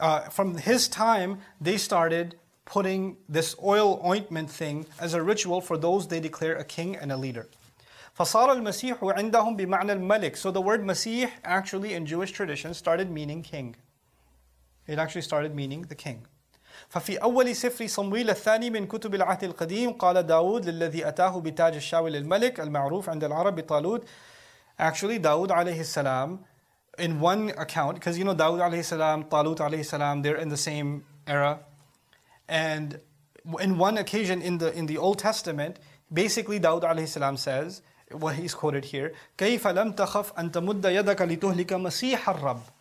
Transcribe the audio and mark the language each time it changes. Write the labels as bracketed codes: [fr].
[en] From his time, they started putting this oil ointment thing as a ritual for those they declare a king and a leader. [ar] فَصَارَ الْمَسِيحُ عِنْدَهُمْ بِمَعْنَى الْمَلِكِ. [en] So the word Masih actually in Jewish tradition started meaning king. It actually started meaning the king. [ar] ففي أول سفر صمويل الثاني من كتب العهد القديم قال داود للذي أتاه بتاج الشاول الملك المعروف عند العرب بطالوت. [en] Actually, داود عليه السلام, in one account, because you know داود عليه السلام, طالوت عليه السلام, they're in the same era, and in one occasion in the Old Testament, basically داود عليه السلام says, what he's quoted here. [ar] كَيْفَ لَمْ تَخَفْ أَن تَمُدَّ يَدَكَ لِتُهْلِكَ مَسِيحَ الرَّبِّ.